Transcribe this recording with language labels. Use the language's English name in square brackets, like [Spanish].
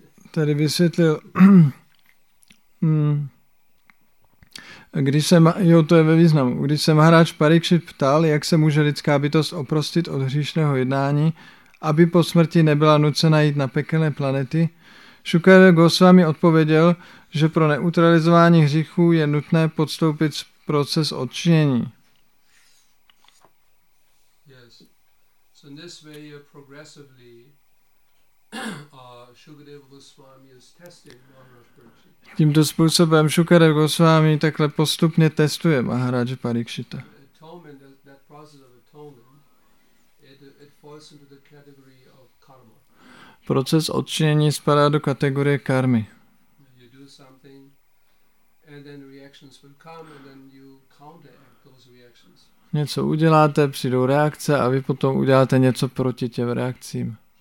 [Czech] Tady vysvětlil, když se Maharaj Parikšit ptal, jak se může lidská bytost oprostit od hříšného jednání, aby po smrti nebyla nucena jít na pekelné planety, Shukadeva Goswami odpověděl, že pro neutralizování hříchů je nutné podstoupit proces odčinění. [English] Yes. So in this way you progressively Shukadeva Goswami is testing Maharaj Parikshita. [Czech] Tímto způsobem Shukadeva Goswami takhle postupně testuje Maharaja Parikshita. [English] Atonement, that process of atonement, it falls into the category of karma. [Czech] Proces odčinění spadá do kategorie karmy. [English] You do something and then reactions will come and then you counteract those reactions. [Czech] Něco uděláte, přijdou reakce a vy potom uděláte něco proti těm reakcím.